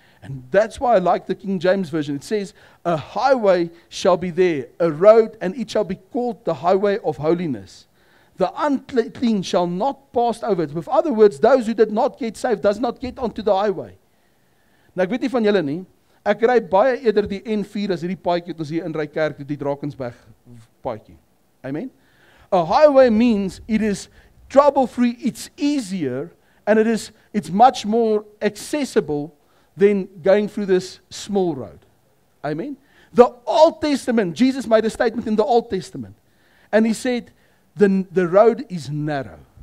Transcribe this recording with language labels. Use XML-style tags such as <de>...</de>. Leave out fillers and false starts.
<en>And that's why I like the King James Version. It says, a highway shall be there, a road, and it shall be called the highway of holiness. The unclean shall not pass over it. With other words, those who did not get saved does not get onto the highway.</en> <af>Nou, ek weet nie van julle nie. Ek ry baie eerder die N4 as hierdie paadjie wat ons hier in ry kerk toe die Drakensberg paadjie. Amen.</af> <en>A highway means it is trouble-free, it's easier, and it's much more accessible than going through this small road. Amen. The Old Testament, Jesus made a statement in the Old Testament, and he said, the road is narrow.</en>